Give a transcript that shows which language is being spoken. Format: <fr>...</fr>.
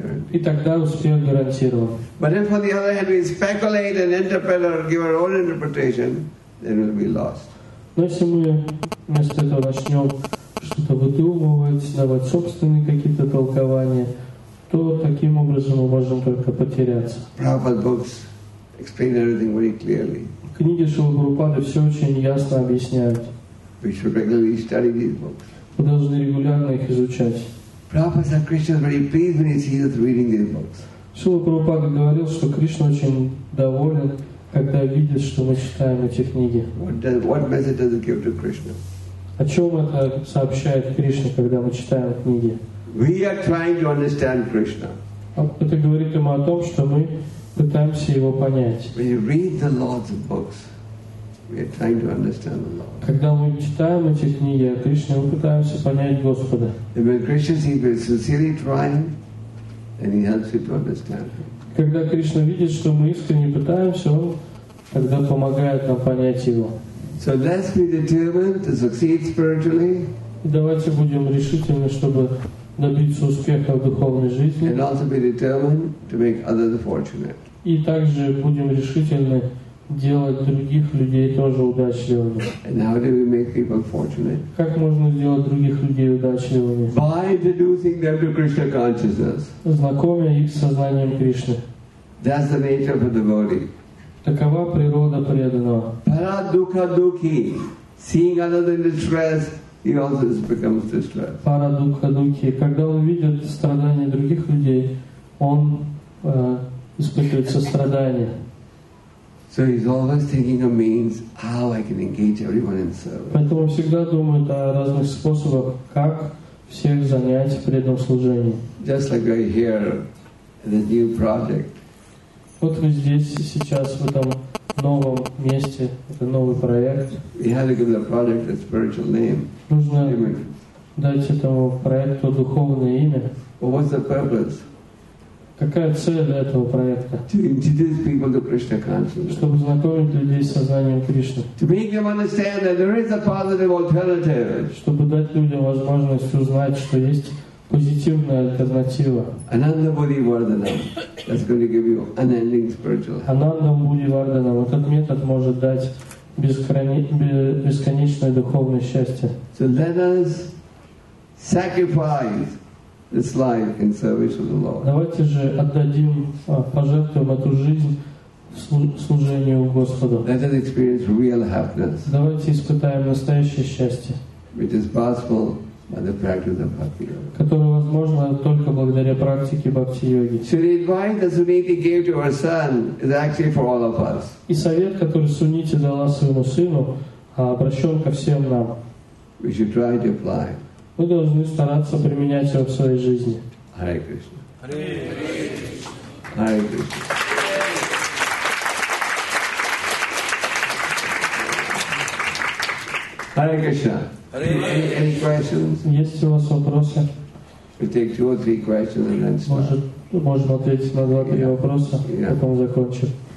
<ru>И тогда успех гарантирован.</ru> <en>But if, on the other hand, we speculate and interpret or give our own interpretation, then we'll be lost.</en> <ru>Но если мы вместо этого начнем что-то выдумывать, давать собственные какие-то толкования, то таким образом мы можем только потеряться.</ru> <en>Prabhupada's books explain everything very clearly.</en> <ru>Книги Шрилы Прабхупады все очень ясно объясняют.</ru> <en>We should regularly study these books.</en> <ru>Мы должны регулярно их изучать. Шрила Прабхупада говорил, что Кришна очень доволен, когда видит, что мы читаем эти книги.</ru> <en>What message does it give to Krishna?</en> <ru>О чем это сообщает Кришна, когда мы читаем книги?</ru> <en>We are trying to understand Krishna.</en> <ru>Это говорит ему о том, что мы пытаемся его понять.</ru> <en>When you read the Lord's books, we are trying to understand the Lord.</en> <ru>Когда мы читаем эти книги о Кришне, мы пытаемся понять Господа.</ru> <en>And when Krishna sees we're sincerely trying, and he helps you to understand him.</en> <ru>Когда Кришна видит, что мы искренне пытаемся, он тогда помогает нам понять его.</ru> <en>So let's be determined to succeed spiritually.</en> <ru>Давайте будем решительны, чтобы добиться успеха в духовной жизни.</ru> <en>And also be determined to make others fortunate.</en> <ru>И также будем решительны делать других людей тоже удачливыми.</ru> <en>And how do we make people fortunate?</en> <ru>Как можно сделать других людей удачливыми?</ru> <en>By introducing them to Krishna consciousness.</en> <ru>Знакомя их с сознанием Кришны.</ru> <en>That's the nature of a devotee.</en> <ru>Такова природа преданного.</ru> <sa>Para dukha dukhi,</sa> <en>seeing others in distress, he also becomes distressed.</en> <sa>Парадукха духи,</sa> <ru>когда он видит страдания других людей, он испытывает сострадание.</ru> <en>So he's always thinking of means how I can engage everyone in service.</en> <ru>Поэтому всегда думает о разных способах, как всех занять в преданном служении.</ru> <en>Just like we're here, the new project.</en> <ru>Вот мы здесь сейчас в этом новом месте, это новый проект.</ru> <en>We had to give the project a spiritual name.</en> <ru>Нужно дать этому проекту духовное имя.</ru> <en>Well, what's the purpose?</en> <ru>Какая цель этого проекта?</ru> <en>To introduce people to Krishna consciousness.</en> <ru>Чтобы знакомить людей с сознанием Кришны.</ru> <en>To make them understand that there is a positive alternative.</en> <ru>Чтобы дать людям возможность узнать, что есть позитивная альтернатива.</ru> <sa>Ананда Буди Варданам.</sa> <en>That's going to give you unending spiritual help.</en> <sa>Ананда Буди Варданам.</sa> <ru>Этот метод может дать бесконечное духовное счастье.</ru> <en>So let us sacrifice this life in service of the Lord.</en> <ru>Давайте же отдадим, пожертвуем эту жизнь служению Господу.</ru> <en>Let us experience real happiness.</en> <ru>Давайте испытаем настоящее счастье.</ru> <en>Which is possible by the practice of bhakti yoga.</en> <ru>Которое возможно только благодаря практике бхакти йоги.</ru> <en>So the advice that Suniti gave to her son is actually for all of us.</en> <ru>И совет, который Сунити дала своему сыну, обращен ко всем нам.</ru> <en>We should try to apply.</en> <ru>Мы должны стараться применять его в своей жизни.</ru> <sa>Hare Krishna. Hare Krishna. Hare Krishna. Hare Krishna. Hare Krishna.</sa> <en>Any questions?</en> <ru>Есть у вас вопросы?</ru> <en>We take two or three questions and then stop.</en> <ru>Можем ответить на 2-3 вопроса, потом закончим.</ru>